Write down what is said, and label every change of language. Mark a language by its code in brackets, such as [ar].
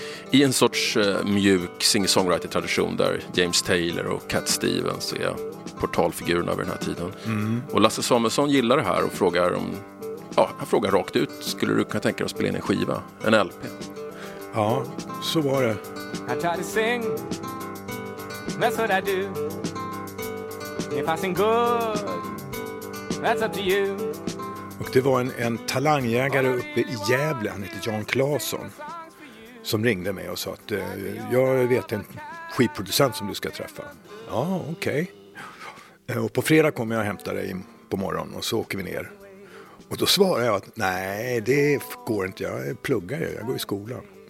[sv] I en sorts mjuk sing-songwriter-tradition där James Taylor och Cat Stevens är portalfigurerna vid den här tiden. Och Lasse Samuelsson gillar det här och frågar om, ja, han frågar rakt ut, skulle du kunna tänka dig att spela in en skiva, en LP? Ja, så var det. [en] I try to sing, that's what I do. If I sing good, that's up to you. [sv] Och det var en talangjägare uppe i Gävle, han heter Jan Claesson, som ringde mig och sa att jag vet en skivproducent som du ska träffa. Ja, okej. Okay. Och på fredag kommer jag hämta dig på morgon och så åker vi ner. Och då svarar jag att nej, det går inte, jag pluggar ju, jag går i skolan.